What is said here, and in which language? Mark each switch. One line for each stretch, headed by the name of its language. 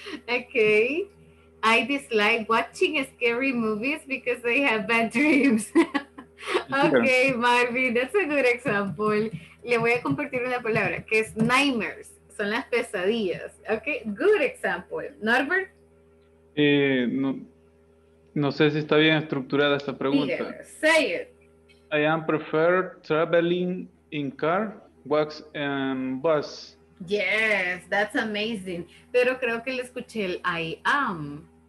English: Okay, I dislike watching scary movies because they have bad dreams. Okay, Marvin, that's a good example.
Spanish: Le voy a compartir una palabra que es nightmares, son las pesadillas.
English: Okay, good example. Norbert,
Spanish: no sé si está bien estructurada esta pregunta.
English: Say it. I am prefer traveling in car, wax and bus. Yes, that's amazing.
Spanish: Pero creo que le escuché el I am.